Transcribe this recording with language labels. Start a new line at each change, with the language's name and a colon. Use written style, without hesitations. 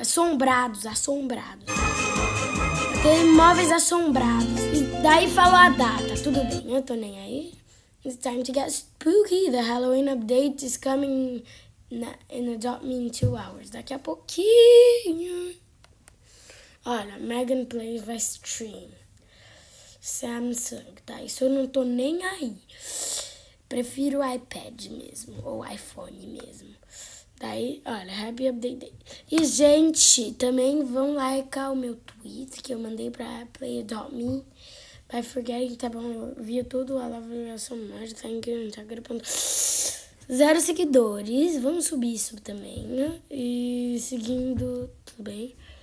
Portuguese: Assombrados. Tem imóveis assombrados. E daí falou a data. Tudo bem, eu tô nem aí.
English: It's time to get spooky. The Halloween update is coming in Adopt Me in 2 hours.
Portuguese: Daqui a pouquinho. Olha, Megan Plays vai stream. Samsung, tá? Isso eu não tô nem aí. Prefiro iPad mesmo, ou iPhone mesmo. Daí, olha,
English: happy update day.
Portuguese: E, gente, também vão likear o meu tweet que eu mandei pra play about me.
English: By forgetting,
Portuguese: tá bom? Eu vi tudo,
English: I love you so much. Thank you, Instagram.
Portuguese: Zero seguidores. Vamos subir isso também, né? E seguindo, tudo bem?